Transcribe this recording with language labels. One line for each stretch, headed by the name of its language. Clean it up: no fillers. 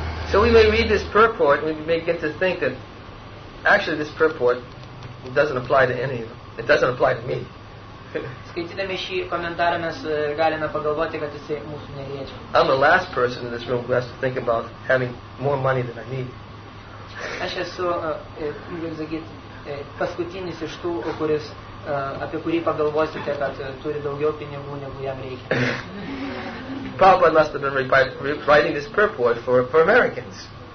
English: So we may read this purport and we may get to think that actually this purport doesn't apply to any of them. It doesn't apply to me.
Lithuanian: Skaitydami šį komentarą mes galime pagalvoti, kad jisai mūsų neliečia.
English: I'm the last person in this room who has to think about having more money than I need.
Lithuanian: Aš esu, kaip sakyt, paskutinis iš tų, kuris apie kurį pagalvosite, kad turi daugiau pinigų, negu jam reikia.
English: Prabhupada must have been writing this purport for Americans.